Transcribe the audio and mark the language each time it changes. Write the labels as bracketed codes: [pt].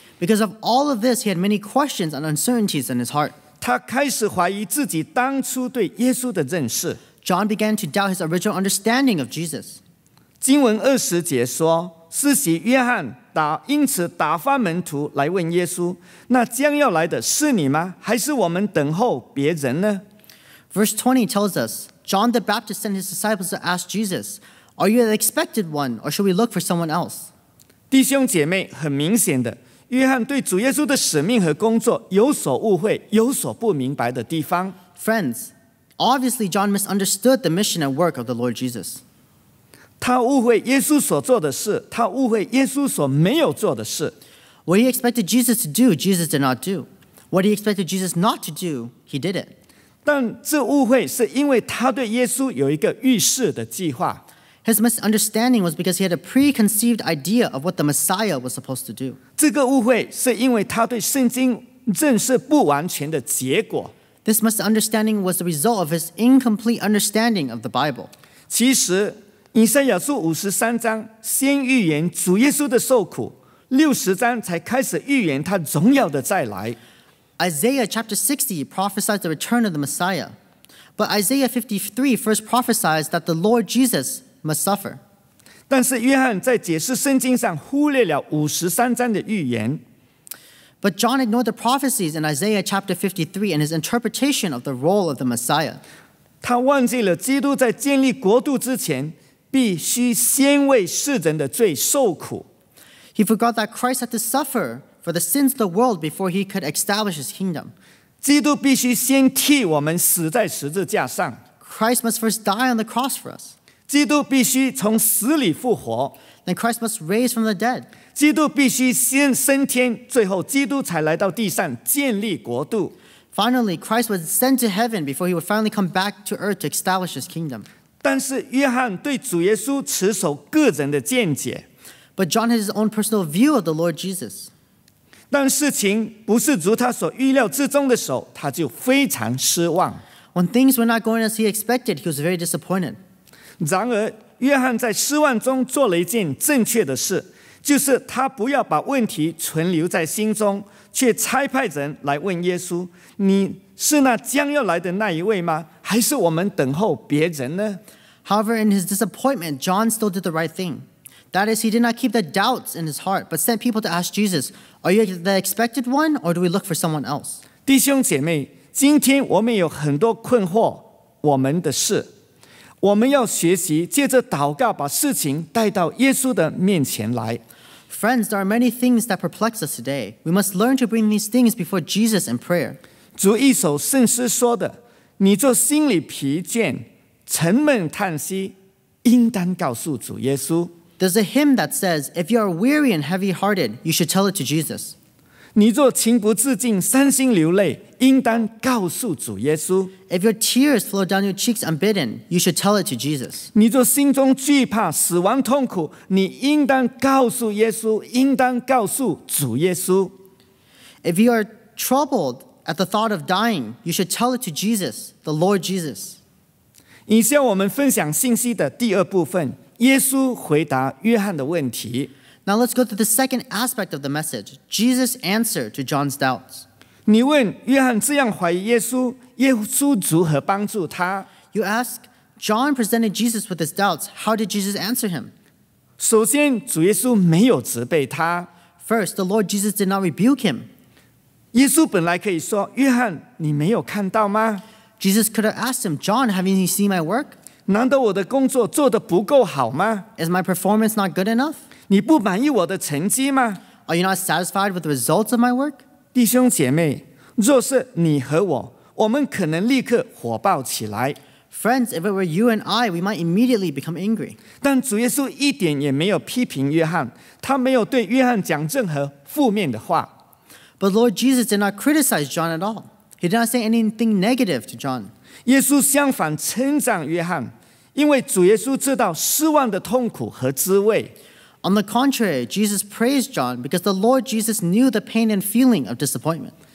[en] Because of all of this, he had many questions and uncertainties in his heart. [zh] 他开始怀疑自己当初对耶稣的认识。 [en] John began to doubt his original understanding of Jesus. [zh] 经文二十节说，施洗约翰因此打发门徒来问耶稣，那将要来的是你吗？还是我们等候别人呢？ [en] Verse 20 tells us,John the Baptist sent his disciples to ask Jesus, Are you the expected one, or should we look for someone else? [zh] 弟兄姐妹，很明显的，约翰对主耶稣的使命和工作有所误会，有所不明白的地方。 [en] Friends, obviously John misunderstood the mission and work of the Lord Jesus. [zh] 他误会耶稣所做的事，他误会耶稣所没有做的事。 [en] What he expected Jesus to do, Jesus did not do. What he expected Jesus not to do, he did it. [zh] 但这误会是因为他对耶稣有一个预示的计划。 [en] His misunderstanding was because he had a preconceived idea of what the Messiah was supposed to do. [zh] 这个误会是因为他对圣经认识不完全的结果。 [en] This misunderstanding was the result of his incomplete understanding of the Bible. [zh] 其实，以赛亚书五十三章先预言主耶稣的受苦，六十章才开始预言他荣耀的再来。 [en] Isaiah chapter 60 prophesies the return of the Messiah. But Isaiah 53 first prophesies that the Lord Jesus must suffer. [zh] 但是约翰在解释圣经上忽略了53章的预言。 [en] But John ignored the prophecies in Isaiah chapter 53 and his interpretation of the role of the Messiah. [zh] 他忘记了基督在建立国度之前必须先为世人的罪受苦。 [en] He forgot that Christ had to suffer for the sins of the world before he could establish his kingdom. [zh] 基督必须先替我们死在十字架上。 [en] Christ must first die on the cross for us. [zh] 基督必须从死里复活。 [en] Then Christ must raise from the dead. [zh] 基督必须先升天，最后基督才来到地上建立国度。 [en] Finally, Christ would ascend to heaven before he would finally come back to earth to establish his kingdom. [zh] 但是约翰对主耶稣持守个人的见解。 [en] But John had his own personal view of the Lord Jesus. [zh] 但事情不是如他所预料之中的时候，他就非常失望。 [en] When things were not going as he expected, he was very disappointed. [zh] 然而，约翰在失望中做了一件正确的事，就是他不要把问题存留在心中，却差派人来问耶稣，你是那将要来的那一位吗？还是我们等候别人呢？ [en] However, in his disappointment, John still did the right thing. That is, he did not keep the doubts in his heart, but sent people to ask Jesus, are you the expected one, or do we look for someone else? [zh] 弟兄姐妹，今天我们有很多困惑我们的事，我们要学习借着祷告把事情带到耶稣的面前来。 [en] Friends, there are many things that perplex us today. We must learn to bring these things before Jesus in prayer. [zh] 主一首圣诗说的，你就心里疲倦，沉闷叹息，应当告诉主耶稣。 [en] There's a hymn that says, if you are weary and heavy-hearted, you should tell it to Jesus. [zh] 你若情不自禁，伤心流泪，应当告诉主耶稣。 [en] If your tears flow down your cheeks unbidden, you should tell it to Jesus. [zh] 你若心中惧怕，死亡痛苦，你应当告诉耶稣，应当告诉主耶稣。 [en] If you are troubled at the thought of dying, you should tell it to Jesus, the Lord Jesus. [zh] 以下我们分享信息的第二部分，耶稣回答约翰的问题。 [en] Now let's go to the second aspect of the message, Jesus' answer to John's doubts. [zh] 你问约翰这样怀疑耶稣，耶稣如何帮助他？ [en] You ask, John presented Jesus with his doubts, how did Jesus answer him? [zh] 首先，主耶稣没有责备他。 [en] First, the Lord Jesus did not rebuke him. [zh] 耶稣本来可以说，约翰，你没有看到吗？ [en] Jesus could have asked him, John, haven't you seen my work? [zh] 难道我的工作做得不够好吗？ [en] Is my performance not good enough? [zh] 你不满意我的成绩吗？ [en] Are you not satisfied with the results of my work? [zh] 弟兄姐妹，若是你和我，我们可能立刻火爆起来。 [en] Friends, if it were you and I, we might immediately become angry. [zh] 但主耶稣一点也没有批评约翰，他没有对约翰讲任何负面的话。 [en] But Lord Jesus did not criticize John at all. He did not say anything negative to John. [zh] 耶稣相反称赞约翰，因为主耶稣知道失望的痛苦和滋味。 [en] On the contrary, Jesus praised John because the Lord Jesus knew the pain and feeling of disappointment.